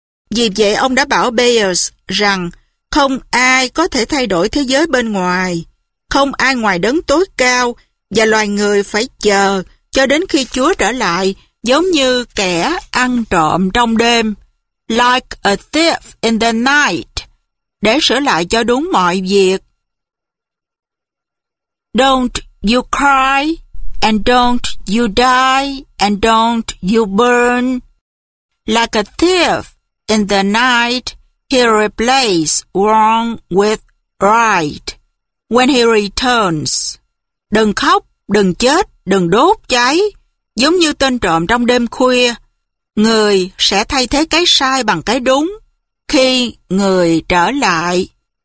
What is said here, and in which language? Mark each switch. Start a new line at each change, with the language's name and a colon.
Vietnamese: Vì vậy ông đã bảo Beers rằng không ai có thể thay đổi thế giới bên ngoài, không ai ngoài đấng tối cao, và loài người phải chờ cho đến khi Chúa trở lại giống như kẻ ăn trộm trong đêm,
English: like a thief in the night,
Vietnamese: để sửa lại cho đúng mọi việc.
English: Don't you cry, and don't you die, and don't you burn. Like a thief in the night, he replaces wrong with right when he returns.
Vietnamese: Đừng khóc, đừng chết, đừng đốt cháy, giống như tên trộm trong đêm khuya. Người sẽ thay thế cái sai bằng cái đúng khi người trở lại.